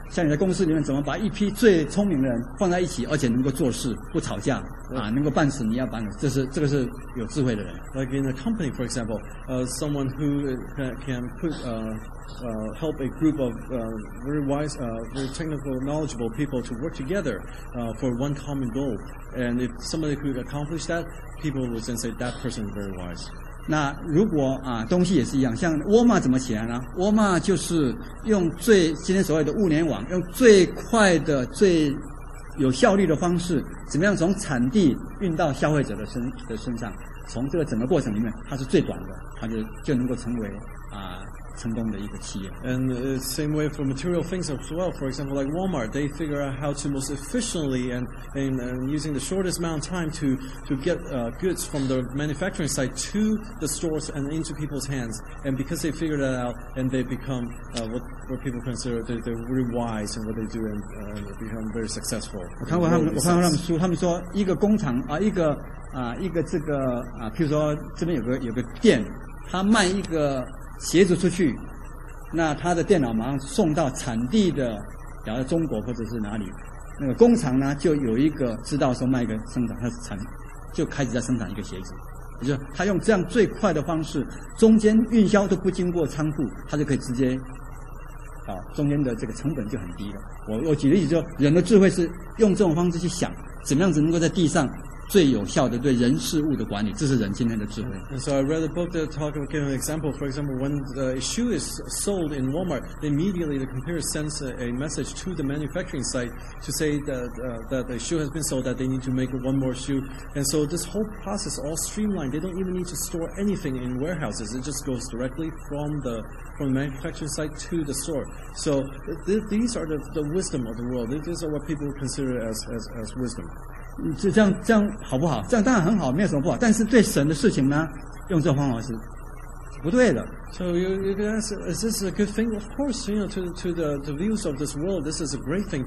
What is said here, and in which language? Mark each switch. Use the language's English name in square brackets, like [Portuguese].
[Chinese] 像你的公司里面怎么把一批最聪明的人放在一起，而且能够做事不吵架啊，能够办事，你要办，这个是有智慧的人。 [English] Like in a company, for example, someone who can put help a group of very wise, very technical, knowledgeable people to work together for one common goal. And if somebody could accomplish that, people would then say that person is very wise. [Chinese] 那如果啊，东西也是一样，像沃尔玛怎么起来呢？沃尔玛就是用最今天所谓的物联网，用最快的、最有效率的方式，怎么样从产地运到消费者的身上？从这个整个过程里面，它是最短的，它就能够成为啊。成功的一个企业。 [English] And the same way for material things as well. For example, like Walmart, they figure out how to most efficiently and using the shortest amount of time to get goods from the manufacturing site to the stores and into people's hands. And because they figure that out, and they become what people consider they're very wise in what they do and become very successful. [Chinese] 我看过他们书，他们说一个工厂啊，一个这个啊，譬如说这边有个店，他卖一个。鞋子出去，那他的电脑马上送到产地的，比如中国或者是哪里，那个工厂呢就有一个知道说卖一个生产，他产就开始在生产一个鞋子，也就是他用这样最快的方式，中间运销都不经过仓库，他就可以直接，啊，中间的这个成本就很低了。我举例子说，人的智慧是用这种方式去想，怎么样子能够在地上。最有效的对人事物的管理，这是人今天的智慧。 [English] And so I read a book that talk about giving an example. For example, when a shoe is sold in Walmart, they immediately the computer sends a message to the manufacturing site to say that a shoe has been sold, that they need to make one more shoe. And so this whole process all streamlined. They don't even need to store anything in warehouses. It just goes directly from the manufacturing site to the store. So these are the wisdom of the world. These are what people consider as wisdom. [Chinese] 这样好不好？这样当然很好，没有什么不好。但是对神的事情呢，用这方法是不对的。 [English] So you can ask, is this a good thing? Of course, you know, to the views of this world, this is a great thing.